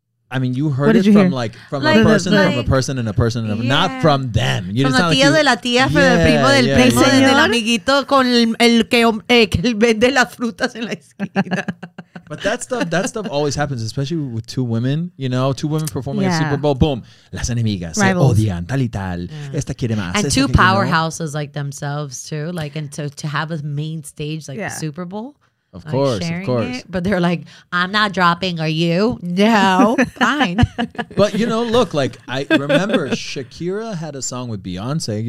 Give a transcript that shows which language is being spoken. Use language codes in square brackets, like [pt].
[en] I mean, you heard it from a person, not from them. You [es] from la tía, like, de la tía, [en] from the [es] primo del primo, del amiguito, con el que vende las frutas en la esquina. [en] But that stuff always happens, especially with two women, you know, two women performing at Super Bowl, boom. [es] Las enemigas se odian, tal y tal. Yeah. Esta quiere más. [en] And two powerhouses like themselves too, like, and to have a main stage like the Super Bowl. Of course. But they're like, I'm not dropping, are you? No. Fine. But, you know, look, like, I remember Shakira had a song with Beyonce.